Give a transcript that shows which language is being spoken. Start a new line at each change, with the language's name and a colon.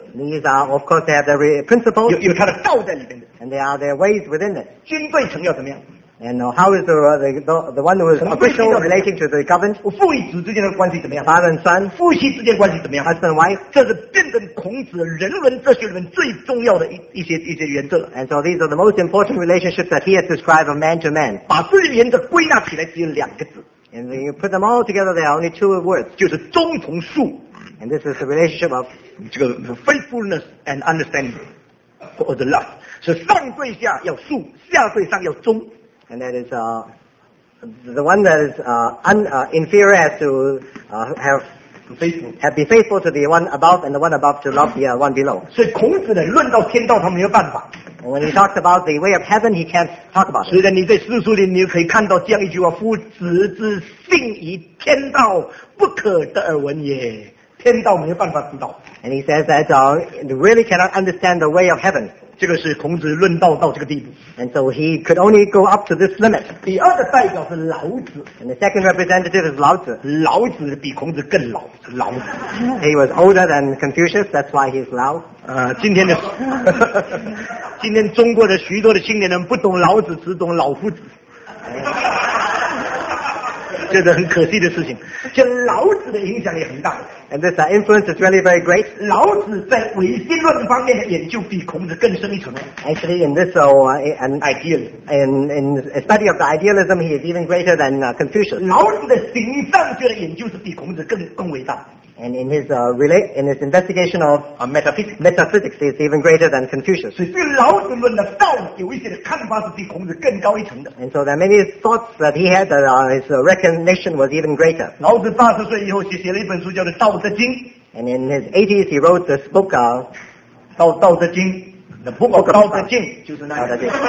English: These are, of course, they have their principles.
Chinese: 有它的道在里面的。
English: And there are their ways within it.
Chinese: 君对臣要怎么样？
English: And how is the one who is official relating to the governed?
Chinese: 父与子之间的关系怎么样?
English: Father and son.
Chinese: 夫妻之间的关系怎么样?
English: Husband and wife.
Chinese: 这是辩证孔子人伦哲学里面最重要的一些原则。
English: And so these are the most important relationships that he has described of man to man.
Chinese: 把这些原则归纳起来只有两个字。
English: And when you put them all together, there are only two words.
Chinese: 就是忠同恕。
English: And this is the relationship of 这个 faithfulness and understanding. Or the love.
Chinese: 是上对下要恕, 下对上要忠。
English: And that is the one that is inferior has to have be faithful to the one above and the one above to love the one below.
Chinese: 所以孔子的论到天道他没有办法。
English: When he talks about the way of heaven, he can't talk about it.
Chinese: 所以在你在四书里你可以看到这样一句话：夫子之性以天道不可得而闻也。
English: And he says that he really cannot understand the way of heaven. And so he could only go up to this limit. And the second representative is Lao Tzu.
Chinese: 老子比孔子更老。
English: He was older than Confucius, that's why he's Lao.
Chinese: 今天中国的许多的青年人不懂老子，只懂老夫子。这个很可惜的事情，就老子的影响也很大。
English: And this influence is really very great.
Chinese: 老子在唯心论方面的研究比孔子更深一层。
English: Actually, in this an ideal, in a study of the idealism, he is even greater than Confucius.
Chinese: 老子的形上学的研究是比孔子更伟大。
English: And in his investigation of metaphysics, he is even greater than Confucius.
Chinese: 所以对老子论的道有一些看法是比孔子更高一层的。
English: And so there are many thoughts that he had that his recognition was even greater.
Chinese: 老子80岁以后写了一本书叫做《道德经》。
English: And in his 80s, he wrote this book,
Chinese: 道德经。
English: The book of
Chinese: 道德经就是那个。